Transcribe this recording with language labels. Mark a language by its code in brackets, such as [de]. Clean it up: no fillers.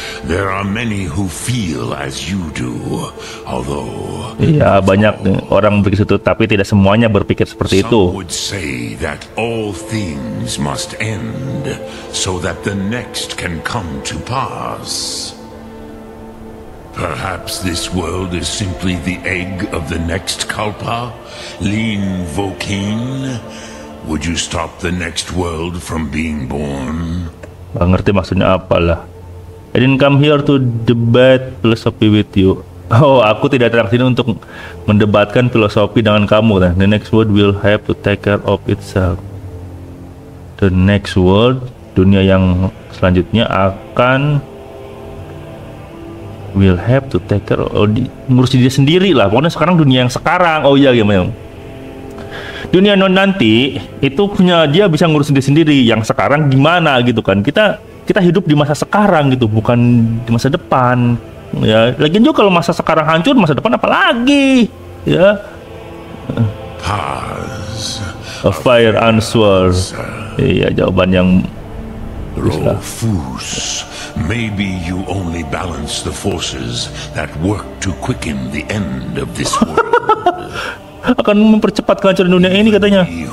[en] There are many who feel as you do, although. [id] Iya, banyak orang berpikir itu, tapi tidak semuanya berpikir seperti itu. [en] Some would say that all things must end so that the next can come to pass. Perhaps this world is simply the egg of the next Kalpa, Lin Vokin. Would you stop the next world from being born? [id] Gak ngerti maksudnya apa lah. [en] I didn't come here to debate philosophy with you. [id] Oh, aku tidak datang sini untuk mendebatkan filosofi dengan kamu. [en] The next world will have to take care of itself. The next world, [id] dunia yang selanjutnya akan [en] will have to take care of, [id] ngurusin dia sendiri lah. Pokoknya sekarang dunia yang sekarang. Oh iya, gimana? Dunia non nanti itu punya dia, bisa ngurusin dia sendiri. Yang sekarang gimana gitu kan? Kita hidup di masa sekarang gitu, bukan di masa depan. Ya, lagian juga kalau masa sekarang hancur, masa depan apalagi? Ya. [en] Pause. A fair answer. [id] Iya, jawaban yang Rofus. [en] Maybe you only balance the forces that work to quicken the end of this world. [id] Akan mempercepat kehancuran dunia ini katanya.